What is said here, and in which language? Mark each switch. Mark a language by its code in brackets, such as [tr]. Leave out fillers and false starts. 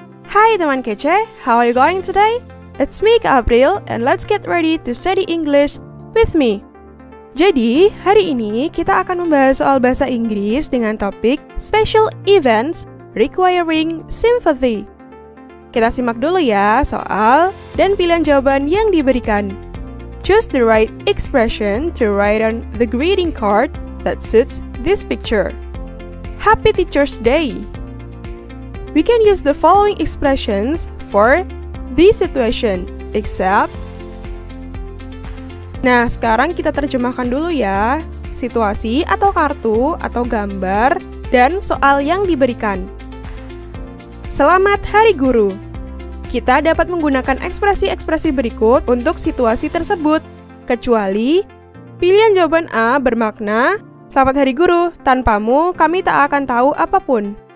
[id] Hai teman kece, [en] how are you going today? It's me, Kak April, and let's get ready to study English with me. [id] Jadi, hari ini kita akan membahas soal bahasa Inggris dengan topik Special Events Requiring Sympathy. Kita simak dulu ya soal dan pilihan jawaban yang diberikan. [en] Choose the right expression to write on the greeting card that suits this picture. Happy Teacher's Day! We can use the following expressions for this situation, except... [id] Nah, sekarang kita terjemahkan dulu ya, situasi atau kartu atau gambar dan soal yang diberikan. Selamat Hari Guru! Kita dapat menggunakan ekspresi-ekspresi berikut untuk situasi tersebut, kecuali pilihan jawaban A bermakna, Selamat Hari Guru, tanpamu kami tak akan tahu apapun.